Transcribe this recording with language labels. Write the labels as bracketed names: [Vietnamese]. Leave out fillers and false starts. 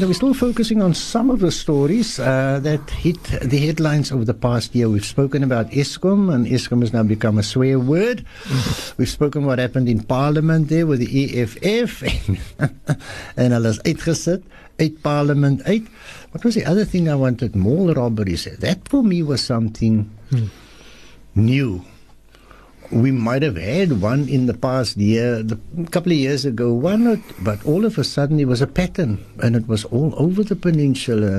[English] We're still focusing on some of the stories that hit the headlines over the past year. We've spoken about Eskom, and Eskom has now become a swear word. We've spoken what happened in Parliament there with the EFF. [Afrikaans] And hulle is uitgesit, uit Parliament uit. [English] What was the other thing I wanted? Mall robberies. That for me was something new. We might have had one in the past year, a couple of years ago, one or two, but all of a sudden it was a pattern, and it was all over the peninsula.